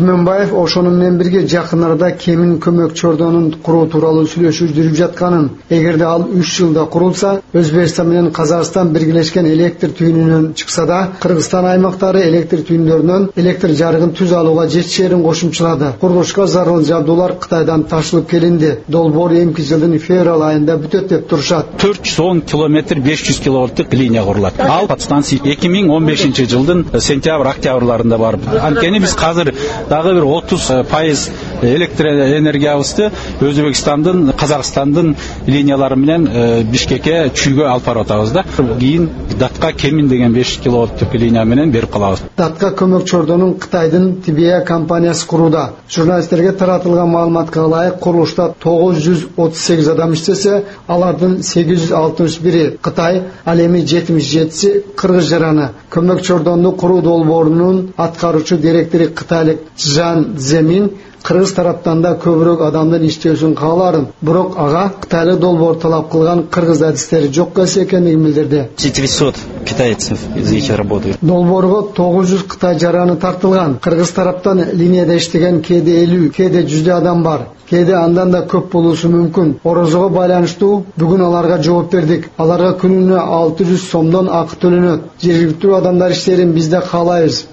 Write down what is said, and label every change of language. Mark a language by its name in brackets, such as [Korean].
[Kyrgyz] Түмөнбаев ошону менен бирге жакын арада кемин көмөк чордонун куруу тууралуу сүйлөшүү жүрүп жатканын, эгерде ал 3 жылда курулса, Өзбекстан менен Казакстан биргелешкен электр түйүнүнөн чыкса да, Кыргызстан аймактары электр түйүндөрүнөн электр жарыгын түз алууга жетишерин кошумчалады. Курулушка зарыл жабдуулар Кытайдан ташылып келинди. Долбоор эмки жылдын февраль айында бүтөт деп турушат. 410 километр 500 киловольттук линия курулат. Ал подстанция 2015 жылдын сентябрь-октябрларында бар. Анткени биз азыр дагы бир 30% электр энергиябызды Өзбекстандын, Казакстандын линиялары менен Бишкекке чүйгө алып барып атабыз да. Кийин датка кемин деген 5 киловольттук линия менен берип калабыз. Датка көмөк чордонун Кытайдын Тибия компаниясы курууда. Журналисттерге таратылган маалыматка ылайык, курулушта 938 адам иштесе, алардын 861 Кытай, ал эми 77 кыргыз жараны. Көмөк чордонду куруу долбоорунун аткаруучу директору кытайлык Жан Земин кыргыз тараптан да көбүрөөк адамдын иштөөсүн кааларын, бирок ага кытайлык долбоор талап кылган кыргыз адистери жок эмес экенин билдирди. [Russian] 400 китайцев здесь работают. [Kyrgyz] Долбоорго 900 кытай жараны тартылган. Кыргыз тараптан линияда иштеген кээде 50, кээде 100 адам бар. Кээде андан да көп болушу мүмкүн. Орозго байланыштуу бүгүн аларга жооп бердик. Аларга күнүнө 600 сомдон акы төлөнөт. Жергиликтүү адамдар иштерин бизде каалайбыз.